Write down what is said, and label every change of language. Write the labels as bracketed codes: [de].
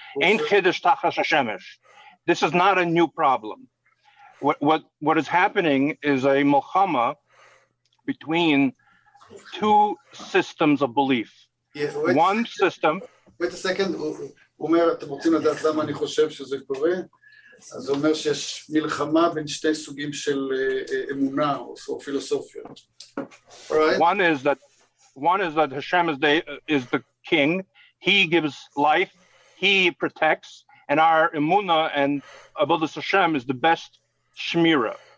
[en] Ain't chiddush tachas hashemesh. This is not a new problem. What is happening is a milchama between two systems of belief. One system... Wait a second. Omer, do you want to know why I think this is happening? [he] אז הוא אומר שיש מלחמה בין שתי סוגים של אמונה או פילוסופיה. [en] One is that Hashem is the king. He gives life, he protects, and our emuna and above this Hashem is the best shmira.